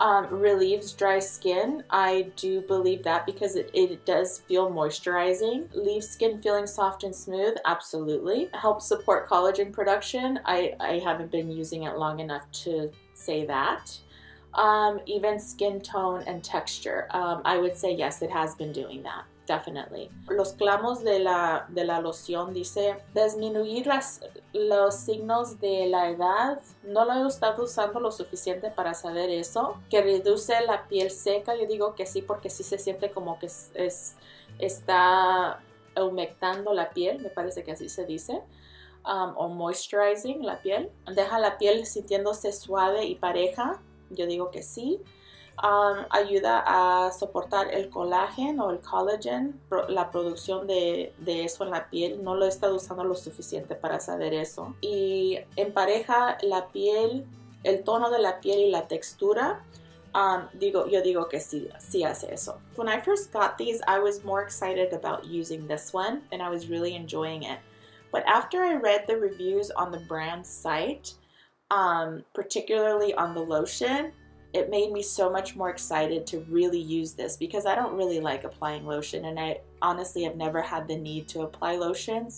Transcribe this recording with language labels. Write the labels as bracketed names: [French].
[English] Relieves dry skin. I do believe that because it does feel moisturizing. Leaves skin feeling soft and smooth. Absolutely. Helps support collagen production. I haven't been using it long enough to say that. Even skin tone and texture. I would say yes, it has been doing that. Definitely. [Spanish] Los clamos de la loción dice disminuir los signos de la edad. No lo he estado usando lo suficiente para saber eso. Que reduce la piel seca. Yo digo que sí porque sí se siente como que está humectando la piel. Me parece que así se dice. O moisturizing la piel. Deja la piel sintiéndose suave y pareja. Yo digo que sí. Ayuda a soportar el colágeno o el collagen, la producción de eso en la piel. No lo he estado usando lo suficiente para saber eso. Y empareja la piel, el tono de la piel y la textura. Yo digo que sí, sí hace eso. [English] When I first got these, I was more excited about using this one and I was really enjoying it. But after I read the reviews on the brand site, particularly on the lotion, it made me so much more excited to really use this because I don't really like applying lotion and I honestly have never had the need to apply lotion.